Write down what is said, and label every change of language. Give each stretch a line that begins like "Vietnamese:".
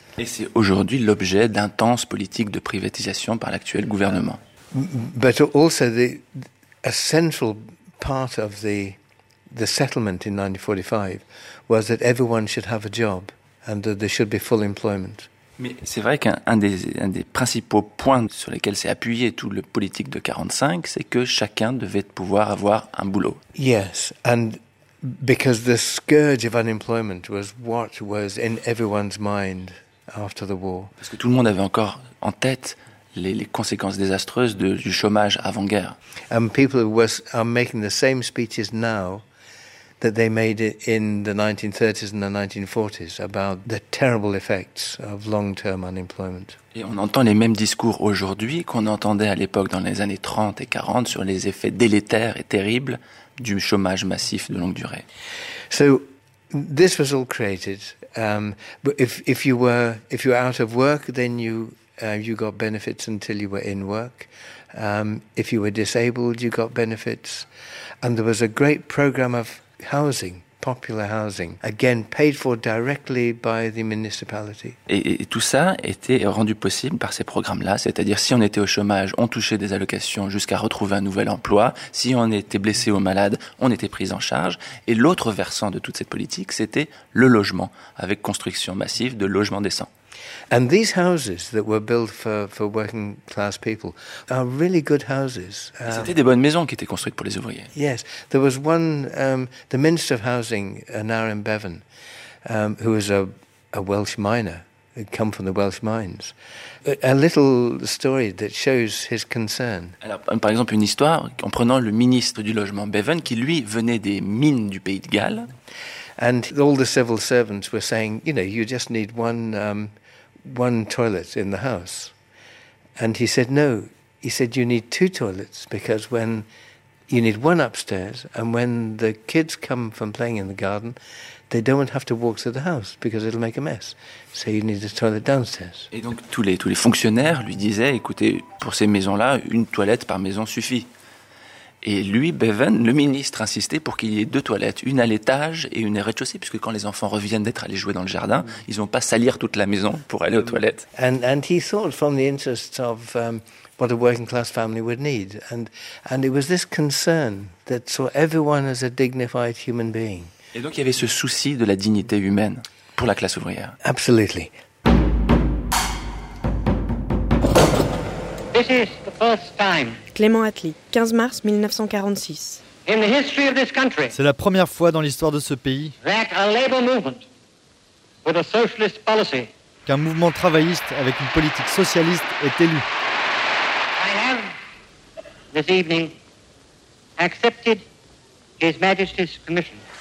French: Et c'est aujourd'hui l'objet d'intenses politiques de privatisation par l'actuel gouvernement.
English: But also a central part of the settlement in 1945 was that everyone should have a job and that there should be full employment.
French: Mais c'est vrai qu'un des principaux points sur lesquels s'est appuyé toute la politique de 45, c'est que chacun devait pouvoir avoir un boulot.
English: Yes, and because the scourge of unemployment was what was in everyone's mind after the war.
French: Parce que tout le monde avait encore en tête les conséquences désastreuses du chômage avant-guerre.
English: And people are making the same speeches now that they made in the 1930s and the 1940s about the terrible effects of long-term unemployment.
French: Et on entend les mêmes discours aujourd'hui qu'on entendait à l'époque dans les années 30 et 40 sur les effets délétères et terribles du chômage massif de longue durée.
English: So this was all created, but if you were out of work, then you got benefits until you were in work. If you were disabled, you got benefits, and there was a great program of housing, popular housing, again paid for directly by the municipality.
French: Et tout ça était rendu possible par ces programmes-là, c'est-à-dire si on était au chômage, on touchait des allocations jusqu'à retrouver un nouvel emploi, si on était blessé ou malade, on était pris en charge, et l'autre versant de toute cette politique, c'était le logement, avec construction massive de logements décents.
English: And these houses that were built for working class people are really good houses.
French: C'était des bonnes maisons qui étaient construites pour les ouvriers.
English: Yes, there was one, the Minister of Housing, Aaron Bevan, who was a Welsh miner, had come from the Welsh mines. A little story that shows his concern.
French: Alors, par exemple, une histoire en prenant le ministre du logement Bevan, qui lui venait des mines du Pays de Galles.
English: And all the civil servants were saying, you know, you just need one toilet in the house. And he said, no, he said, you need two toilets, because when you need one upstairs, and when the kids come from playing in the garden, they don't have to walk through the house, because it'll make a mess. So you need a toilet downstairs.
French: Et donc tous les fonctionnaires lui disaient, écoutez, pour ces maisons-là, une toilette par maison suffit. Et lui, Bevan, le ministre, insistait pour qu'il y ait deux toilettes, une à l'étage et une au rez-de-chaussée, puisque quand les enfants reviennent d'être allés jouer dans le jardin, ils n'ont pas salir toute la maison pour aller aux toilettes.
English: And he thought from the interests of what a working class family would need, and it was this concern that saw everyone as a dignified human being.
French: Et donc il y avait ce souci de la dignité humaine pour la classe ouvrière.
English: Absolutely. This is the first time.
French: Clément Attlee, 15 mars 1946.
English: In the history of this country,
French: c'est la première fois dans l'histoire de ce pays qu'un mouvement travailliste avec une politique socialiste est élu.
English: I have this evening accepted His Majesty's commission.